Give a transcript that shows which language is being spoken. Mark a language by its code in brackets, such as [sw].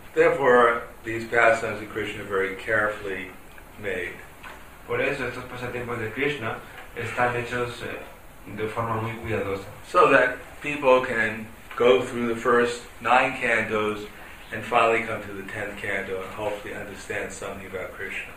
[en] Therefore, these pastimes of Krishna are very carefully made. [es] Por eso, estos pasatiempos de Krishna están hechos de forma muy cuidadosa. [en] So that people can go through the first 9 cantos and finally come to the 10th canto and hopefully understand something about Krishna.